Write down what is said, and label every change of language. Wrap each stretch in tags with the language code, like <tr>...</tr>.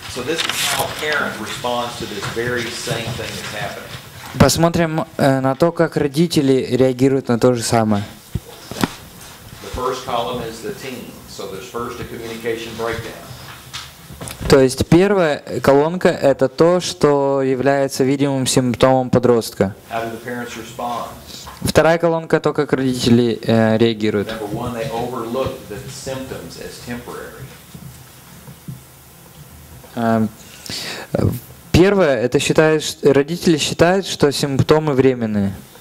<en>So this is how a parent responds to this very same thing that's happening.</en> <ru>Посмотрим на то, как родители реагируют на то же самое.</ru> <en>The first column is the teen, so there's first a communication breakdown.</en> <ru>То есть первая колонка – это то, что является видимым симптомом подростка.</ru> <en>How do the parents respond?</en> <ru>Вторая колонка – то, как родители реагируют.</ru> <en>Number one, they overlook the symptoms as temporary.</en> <ru>Первое, это считают, родители считают, что симптомы временные.</ru>